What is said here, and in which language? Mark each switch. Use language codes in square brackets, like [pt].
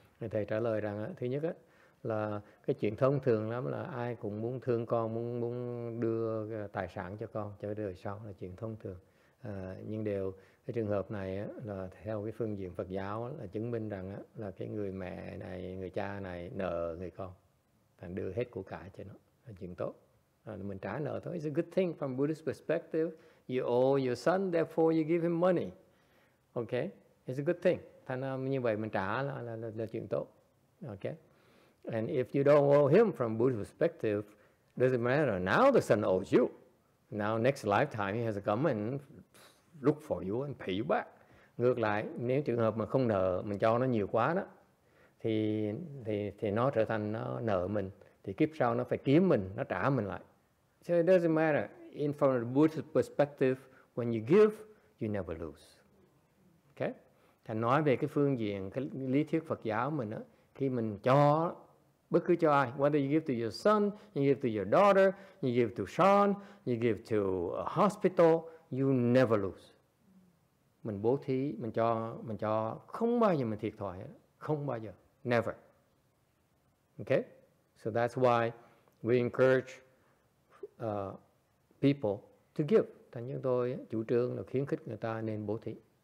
[vi] Thầy trả lời rằng thứ nhất á là cái chuyện thông thường lắm là ai cũng muốn thương con, muốn đưa tài sản cho con cho đời sau là chuyện thông thường. Nhưng đều cái trường hợp này á là theo cái phương diện Phật giáo là chứng minh rằng á là cái người mẹ này, người cha này nợ người con, thành đưa hết của cải cho nó là chuyện tốt. Mình trả nợ thôi. [en] It's a good thing from Buddhist perspective. You owe your son, therefore you give him money. Okay, it's a good thing. [vi] Thành ra như vậy mình trả là chuyện tốt. [en] Okay, and if you don't owe him from Buddhist perspective, doesn't matter. Now the son owes you. Now next lifetime he has to come and look for you and pay you back. [vi] Ngược lại, nếu trường hợp mà không nợ, mình cho nó nhiều quá đó, thì nó trở thành nó nợ mình. Thì kiếp sau nó phải kiếm mình, nó trả mình lại. [en] So it doesn't matter. In from the Buddhist perspective, when you give, you never lose. Okay? [vi] Thành nói về cái phương diện, cái lý thuyết Phật giáo mình á, khi mình cho, bất cứ cho ai, [en] whether you give to your son, you give to your daughter, you give to Sean, you give to a hospital, you never lose. [vi] Mình bố thí, mình cho không bao giờ mình thiệt thòi, không bao giờ, never. [en] Okay? So that's why we encourage people to give. [vi] Thành như tôi chủ trương là khuyến khích người ta nên bố thí.